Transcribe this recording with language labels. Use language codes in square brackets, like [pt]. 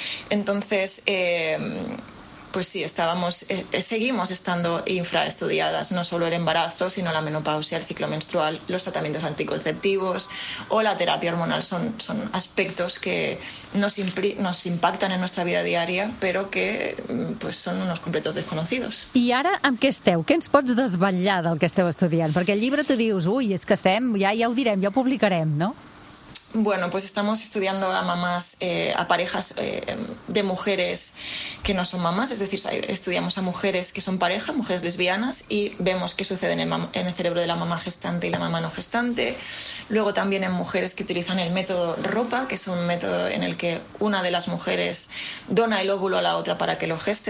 [es] Entonces, pues sí, seguimos estando infraestudiadas, no solo el embarazo, sino la menopausia, el ciclo menstrual, los tratamientos anticonceptivos o la terapia hormonal son aspectos que nos impactan en nuestra vida diaria, pero que pues son unos completos desconocidos. [ca] I ara, amb què esteu? Què ens pots desvetllar del que esteu estudiant? Perquè el llibre tu dius, ui, és que estem, ja ho direm, ja ho publicarem, no? [es] Bueno, pues estamos estudiando a mamás, a parejas de mujeres que no son mamás, es decir, estudiamos a mujeres que son pareja, mujeres lesbianas, y vemos qué sucede en el cerebro de la mamá gestante y la mamá no gestante. Luego también en mujeres que utilizan el método ROPA, que es un método en el que una de las mujeres dona el óvulo a la otra para que lo geste.